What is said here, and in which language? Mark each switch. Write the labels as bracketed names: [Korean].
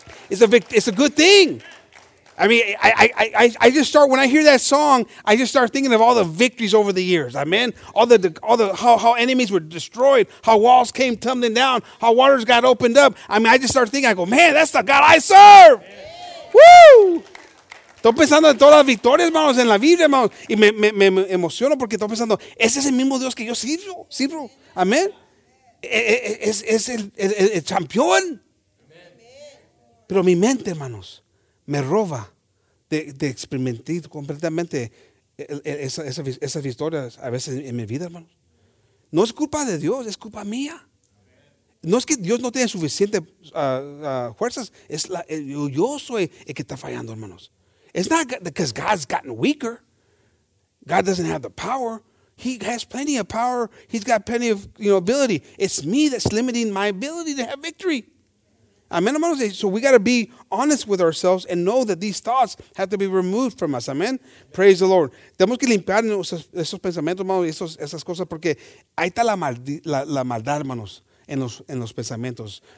[English] It's a good thing. I mean, I just start, when I hear that song, I just start thinking of all the victories over the years. Amen. How enemies were destroyed, how walls came tumbling down, how waters got opened up. I mean, I just start thinking, I go, man, that's the God I serve. Yeah. Woo! [Spanish] Estoy pensando en todas las victorias, hermanos, en la Biblia, hermanos. Y me emociono porque estoy pensando, ese es el mismo Dios que yo sirvo. Amen. Es el champion. Pero mi mente, hermanos, me roba de experimentar completamente esas victorias a veces en mi vida, hermano. No es culpa de Dios, es culpa mía. No es que Dios no tenga suficiente fuerzas, es yo soy el que está fallando, hermanos. [English] It's not because God's gotten weaker. God doesn't have the power. He has plenty of power. He's got plenty of, you know, ability. It's me that's limiting my ability to have victory. Amen, hermanos. So we got to be honest with ourselves and know that these thoughts have to be removed from us. Amen. Praise the Lord. [Spanish] Tenemos que limpiar esos pensamientos, hermanos, esas cosas, porque ahí está la maldad, hermanos, en los pensamientos.